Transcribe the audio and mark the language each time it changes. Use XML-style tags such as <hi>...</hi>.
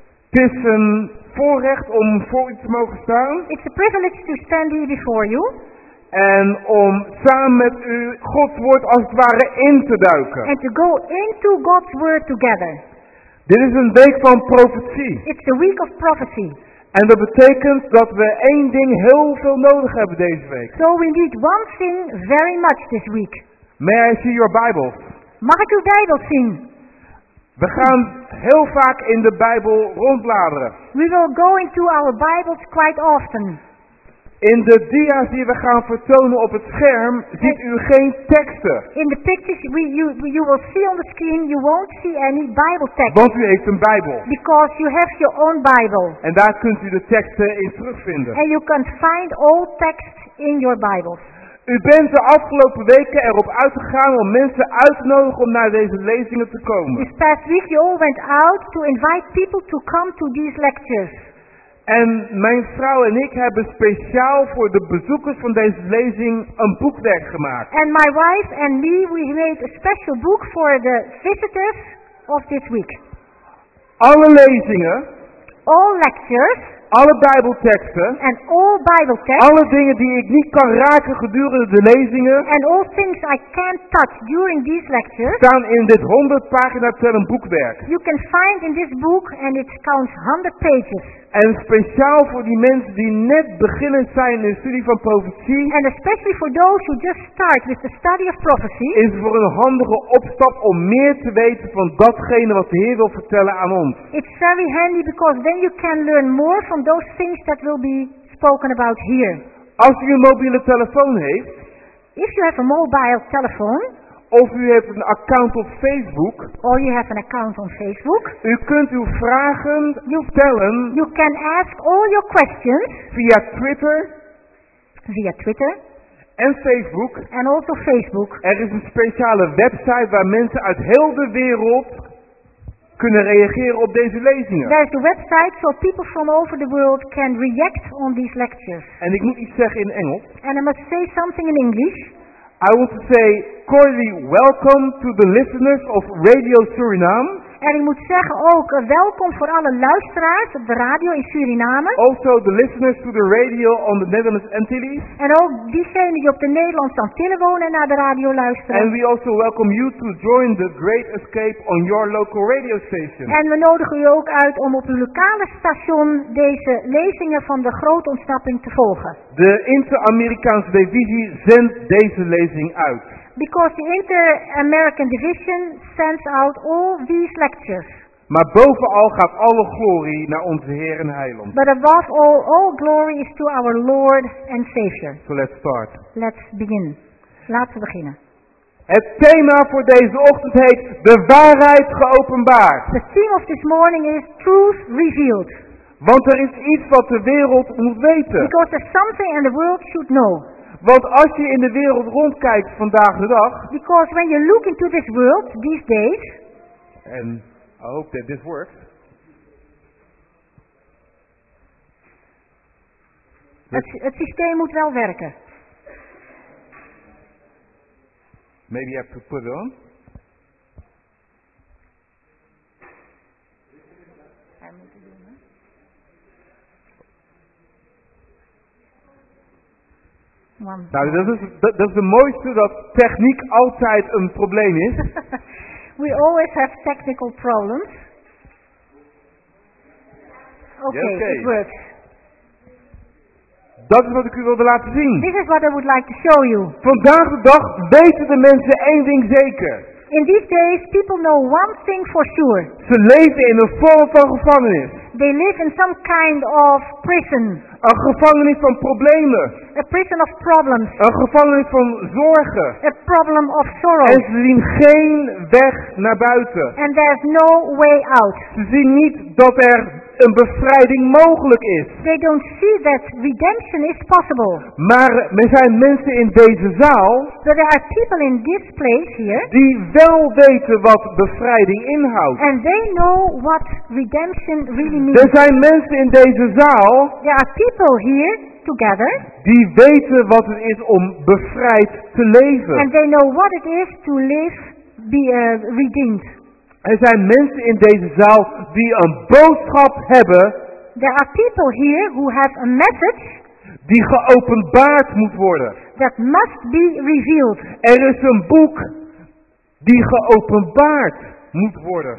<nl>Het is een voorrecht om voor u te mogen staan.</nl> <en>It's a privilege to stand here before you.</en> <nl>En om samen met u Gods woord als het ware in te duiken.</nl> <en>And to go into God's word together.</en> <nl>Dit is een week van profetie.</nl> <en>It's the week of prophecy.</en> <nl>En dat betekent dat we één ding heel veel nodig hebben deze week.</nl> <en>So we need one thing very much this week. May I see your Bibles?</en> <nl>Mag ik uw Bijbel zien?</nl> <en>We gaan heel vaak in de Bijbel rondbladeren. We will go into our Bibles quite often.</en> <nl>In de dia's die we gaan vertonen op het scherm ziet u geen teksten.</nl> <en>In the pictures you will see on the screen, you won't see any Bible text.</en> <nl>Want u heeft een Bijbel.</nl> <en>Because you have your own Bible.</en> <nl>En daar kunt u de teksten in terugvinden.</nl> <en>And you can find all texts in your Bibles.</en> <nl>U bent de afgelopen weken erop uitgegaan om mensen uit te nodigen om naar deze lezingen te komen.</nl> <en>This past week you all went out to invite people to come to these lectures.</en> <nl>En mijn vrouw en ik hebben speciaal voor de bezoekers van deze lezing een boekwerk gemaakt.</nl> <en>And my wife and me, we made a special book for the visitors of this week.</en> <nl>Alle lezingen,</nl> <en>all lectures,</en> <nl>alle Bijbelteksten,</nl> <en>and all Bible texts,</en> <nl>alle dingen die ik niet kan raken gedurende de lezingen,</nl> <en>and all things I can't touch during these lectures,</en> <nl>staan in dit 100 pagina tellend boekwerk.</nl> <en>You can find in this book and it counts 100 pages.</en> <nl>En speciaal voor die mensen die net beginnend zijn in de studie van profetie.</nl> <en>And especially for those who just start with the study of prophecy.</en> <nl>Is voor een handige opstap om meer te weten van datgene wat de Heer wil vertellen aan ons.</nl> <en>It's very handy because then you can learn more from those things that will be spoken about here.</en> <nl>Als u een mobiele telefoon heeft.</nl> <en>If you have a mobile telephone.</en> <nl>Of u heeft een account op Facebook.</nl> <en>Or you have an account on Facebook.</en> <nl>U kunt uw vragen stellen.</nl> <en>You can ask all your questions.</en> <nl>Via Twitter.</nl> <en>Via Twitter.</en> <nl>En Facebook.</nl> <en>And also Facebook.</en> <nl>Er is een speciale website waar mensen uit heel de wereld kunnen reageren op deze lezingen.</nl> <en>There is a website so people from over the world can react on these lectures.</en> <nl>En ik moet iets zeggen in Engels.</nl> <en>And I must say something in English. I want to say cordially welcome to the listeners of Radio Suriname.</en> <nl>En ik moet zeggen ook welkom voor alle luisteraars op de radio in Suriname.</nl> <en>Also the listeners to the radio on the Netherlands Antilles.</en> <nl>En ook diegenen die op de Nederlandse Antillen wonen en naar de radio luisteren.</nl> <en>And we also welcome you to join the Great Escape on your local radio station.</en> <nl>En we nodigen u ook uit om op uw lokale station deze lezingen van de grote ontsnapping te volgen. De Inter-Amerikaanse divisie zendt deze lezing uit.</nl> <en>Because the Inter-American Division sends out all these lectures.</en> <nl>Maar bovenal gaat alle glorie naar onze Heer en Heiland.</nl> <en>But above all glory is to our Lord and Savior. So let's start. Let's begin.</en> <nl>Laten we beginnen. Het thema voor deze ochtend heet de waarheid geopenbaard.</nl> <en>The theme of this morning is truth revealed.</en> <nl>Want er is iets wat de wereld moet weten.</nl> <en>Because there's something and the world should know.</en> <nl>Want als je in de wereld rondkijkt vandaag de dag.</nl> <en>Because when you look into this world these days. And I hope that this works.</en> <nl>Het systeem moet wel werken.</nl> <en>Maybe you have to put it on.</en> <nl>Nou, dat is het mooiste dat techniek altijd een probleem is.</nl> <en>We always have technical problems. Okay. It works.</en> <nl>Dat is wat ik u wilde laten zien.</nl> <en>This is what I would like to show you.</en> <nl>Vandaag de dag weten de mensen één ding zeker.</nl> <en>In these days, people know one thing for sure.</en> <nl>Ze leven in een vorm van gevangenis.</nl> <en>They live in some kind of prison.</en> <nl>Een gevangenis van problemen.</nl> <en>A prison of problems.</en> <nl>Een gevangenis van zorgen.</nl> <en>A problem of sorrow.</en> <nl>En ze zien geen weg naar buiten.</nl> <en>And there's no way out.</en> <nl>Ze zien niet dat er een bevrijding mogelijk is.</nl> <en>They don't see that redemption is possible.</en> <nl>Maar er zijn mensen in deze zaal.</nl> <en>But there are people in this place here.</en> <nl>Die wel weten wat bevrijding inhoudt.</nl> <en>And they know what redemption really meet.</en> <nl>Er zijn mensen in deze zaal.</nl> <en>There are people here together.</en> <nl>Die weten wat het is om bevrijd te leven.</nl> <en>And they know what it is to live redeemed.</en> <nl>Er zijn mensen in deze zaal die een boodschap hebben.</nl> <en>There are people here who have a message.</en> <nl>Die geopenbaard moet worden.</nl> <en>That must be revealed.</en> <nl>Er is een boek die geopenbaard moet worden.</nl>